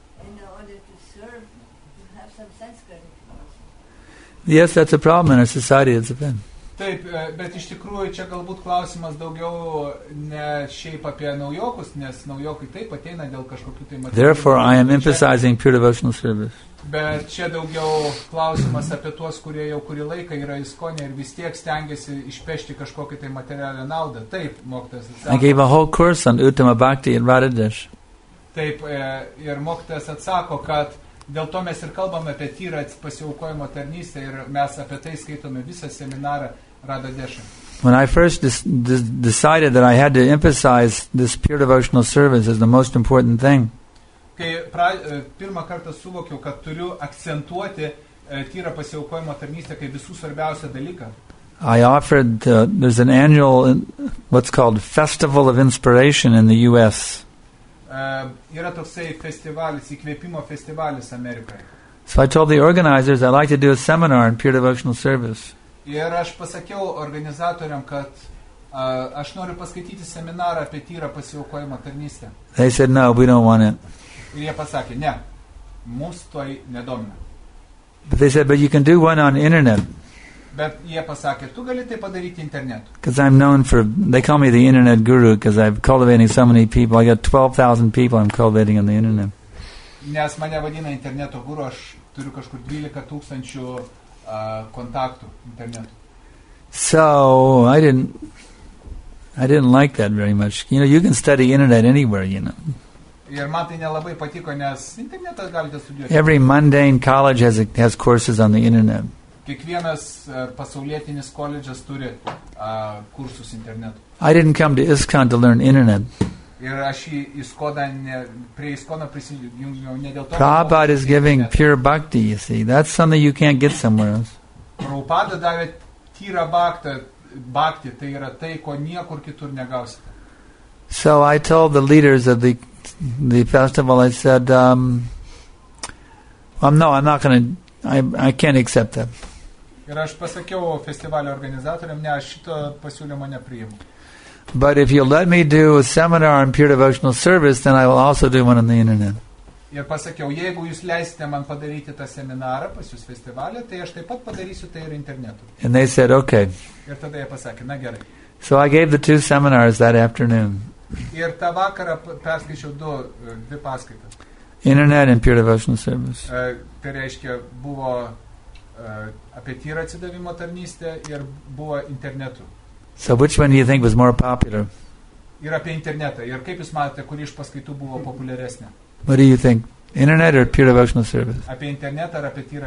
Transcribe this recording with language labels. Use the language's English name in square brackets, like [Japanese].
[English] In order to serve, you have some sense gratification. Yes, that's a problem in our society, it's a thing. [Lithuanian] Taip, bet iš tikrųjų čia galbūt klausimas daugiau ne šiaip apie naujokus, nes naujokai taip ateina dėl kažkokių tai matyti. [English] Therefore, I am emphasizing pure devotional service. [Lithuanian] Bet čia daugiau klausimas apie tuos, kurie jau kurį laiką yra įskonę ir vis tiek stengiasi išpešti kažkokį tai materialią naudą. Taip, moktas. [English] I gave a whole course on Uttama Bhakti in Radhadesh. [Lithuanian] Taip, ir moktas atsako, kad dėl to mes ir kalbame apie tyrą pasiaukojimo tarnystę ir mes apie tai skaitome visą seminarą Radadeshe. [English] When I first decided that I had to emphasize this pure devotional service as the most important thing. [Lithuanian] Kai pirmą kartą suvokiau, kad turiu akcentuoti tyrą pasiaukojimo tarnystę kaip visų svarbiausią dalyką. [English] I offered, there's an annual, what's called Festival of Inspiration in the U.S. [Lithuanian] Yra toksai festivalis, įkvėpimo festivalis Amerikoje. [English] So I told the organizers I'd like to do a seminar in peer devotional service. [Lithuanian] Ir aš pasakiau organizatoriam, kad aš noriu paskaityti seminarą apie tyrą pasiaukojimą tarnystę. [English] They said, no, we don't want it. [Lithuanian] Ir jie pasakė, ne, mūsų toj nedomina. [English] But they said, but you can do one on internet. [Lithuanian] Bet jie pasakė, tu gali tai padaryti internetu. [English] Because I'm known for, they call me the internet guru, because I'm cultivating so many people. I got 12,000 people I'm cultivating on the internet. [Lithuanian] Nes mane vadina interneto guru, aš turiu kažkur 12,000 kontaktų internetu. [English] So, I didn't like that very much. You know, you can study internet anywhere, you know. [Lithuanian] Ir man tai nelabai patiko, nes internetas galite studijuoti. [English] Every mundane college has courses on the internet. [Lithuanian] Kiekvienas pasaulietinis koledžas turi kursus internetu. [English] I didn't come to ISKCON to learn internet. [Lithuanian] Ir aš į ISKCON prie ISKCON prisijungiau ne dėl to. [English] Prabhupada is giving pure bhakti, you see. That's something you can't get somewhere else. [Lithuanian] Prabhupada davė tyrą bhakti, tai yra tai, ko niekur kitur negausite. [English] So I told the leaders of the festival, I said, I can't accept that. [Lithuanian] Ir aš pasakiau festivalio organizatoriam, ne, aš šito pasiūlymo nepriimu. [English] But if you let me do a seminar on pure devotional service, then I will also do one on the internet. [Lithuanian] Ir pasakiau, jeigu jūs leisite man padaryti tą seminarą pas jūs festivalį, tai aš taip pat padarysiu tai ir internetu. [English] And they said, okay. [Lithuanian] Ir tada jie pasakė, na gerai. [English] So I gave the two seminars that afternoon. [Lithuanian] Ir tą vakarą perskaičiau dvi paskaitas. [English] Internet and pure devotional service. [Lithuanian] Tai reiškia, buvo apie tyrą atsidavimo tarnystę ir buvo internetu. [English] So which one do you think was more popular? [Lithuanian] Ir apie internetą. Ir kaip jūs matote, kuri iš paskaitų buvo populiaresnė? [English] What do you think? Internet or pure devotional service? [Lithuanian] Apie internetą ar apie tyrą